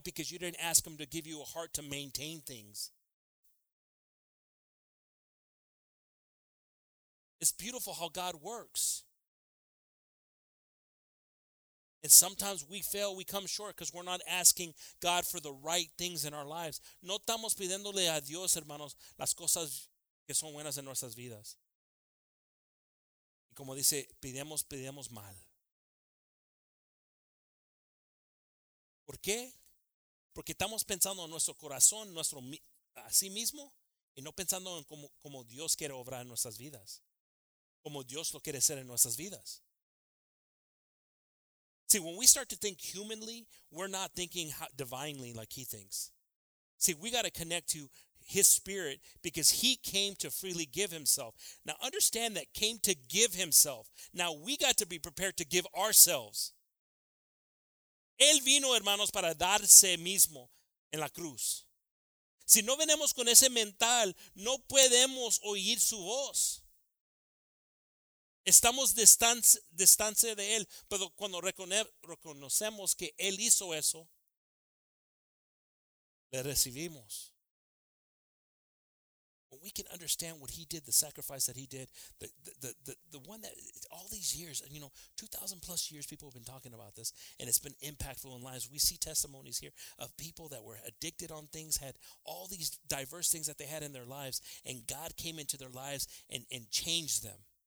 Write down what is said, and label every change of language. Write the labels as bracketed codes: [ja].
[en] Because you didn't ask him to give you a heart to maintain things. It's beautiful how God works. And sometimes we fail, we come short because we're not asking God for the right things in our lives. [es] No estamos pidiéndole a Dios, hermanos, las cosas que son buenas en nuestras vidas. Y como dice, pidemos mal. ¿Por qué? Porque estamos pensando en nuestro corazón, nuestro a sí mismo, y no pensando en cómo Dios quiere obrar en nuestras vidas, como Dios lo quiere hacer en nuestras vidas. [en] See, when we start to think humanly, we're not thinking divinely like he thinks. See, we got to connect to his spirit because he came to freely give himself. Now understand that came to give himself. Now we got to be prepared to give ourselves. [es] Él vino, hermanos, para darse mismo en la cruz. Si no venimos con ese mental, no podemos oír su voz. Estamos distancia de Él, pero cuando reconocemos que Él hizo eso, le recibimos. [en] When we can understand what he did, the sacrifice that he did, the one that all these years, you know, 2,000 plus years, people have been talking about this, and it's been impactful in lives. We see testimonies here of people that were addicted on things, had all these diverse things that they had in their lives, and God came into their lives and changed them.